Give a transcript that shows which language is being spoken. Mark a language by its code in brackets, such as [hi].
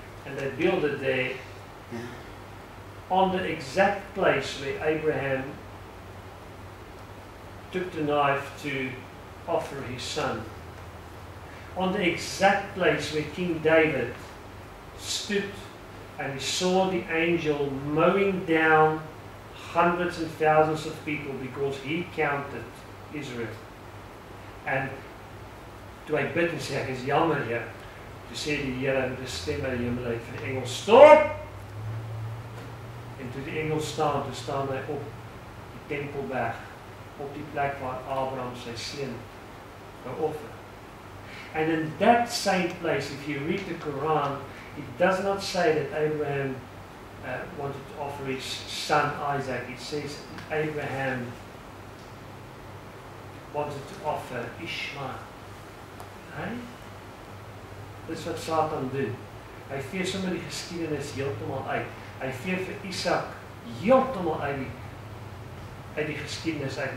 [en] And they built it there on the exact place where Abraham took the knife to offer his son. On the exact place where King David stood and saw the angel mowing down hundreds and thousands of people because he counted Israel. [af] And toe hy bid en sê, ek is jammer hier, toe sê die Here met die stem in die hemel uit vir die engel, stop! En toe die engel staan, toe staan hy op die tempelberg, op die plek waar Abraham sy seun geoffer. [en] And in that same place, if you read the Quran, it does not say that Abraham wanted to offer his son Isaac, it says Abraham wanted to offer Ishmael. [af] Hey? Dit is wat Satan doen. Hy veer sommer die geskiedenis heeltemal uit. Hy veer vir Isaac heeltemal uit die geskiedenis uit.